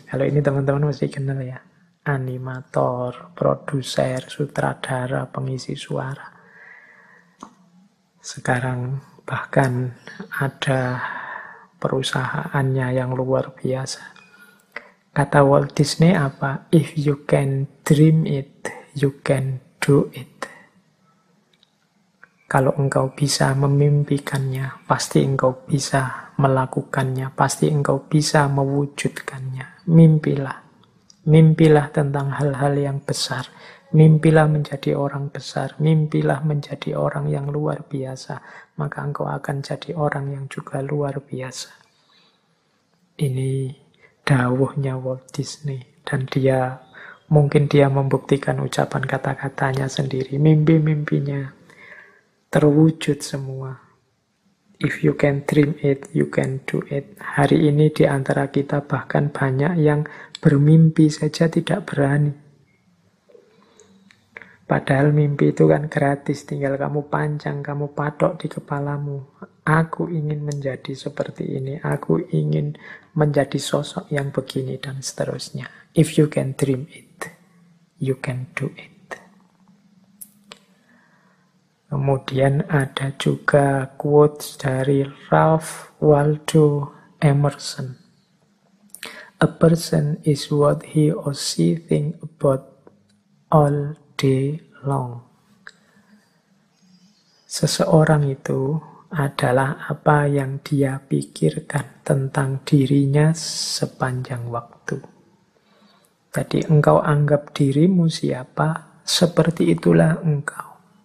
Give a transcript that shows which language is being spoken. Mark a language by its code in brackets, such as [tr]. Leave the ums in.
[id] Kalau ini teman-teman masih kenal ya, animator, produser, sutradara, pengisi suara sekarang bahkan ada perusahaannya yang luar biasa. Kata Walt Disney apa? [en] If you can dream it, you can do it. [id] Kalau engkau bisa memimpikannya, pasti engkau bisa melakukannya, pasti engkau bisa mewujudkannya. Mimpilah. Mimpilah tentang hal-hal yang besar. Mimpilah menjadi orang besar, mimpilah menjadi orang yang luar biasa, maka engkau akan jadi orang yang juga luar biasa. Ini dawuhnya Walt Disney dan dia mungkin dia membuktikan ucapan kata-katanya sendiri, mimpi-mimpinya terwujud semua. [en] If you can dream it, you can do it. [id] Hari ini di antara kita bahkan banyak yang bermimpi saja tidak berani. Padahal mimpi itu kan gratis, tinggal kamu panjang, kamu patok di kepalamu. Aku ingin menjadi seperti ini, aku ingin menjadi sosok yang begini dan seterusnya. [en] If you can dream it, you can do it. [id] Kemudian ada juga quotes dari Ralph Waldo Emerson. [en] A person is what he or she thinks about all de long. [id] Seseorang itu adalah apa yang dia pikirkan tentang dirinya sepanjang waktu. Jadi engkau anggap dirimu siapa, seperti itulah engkau.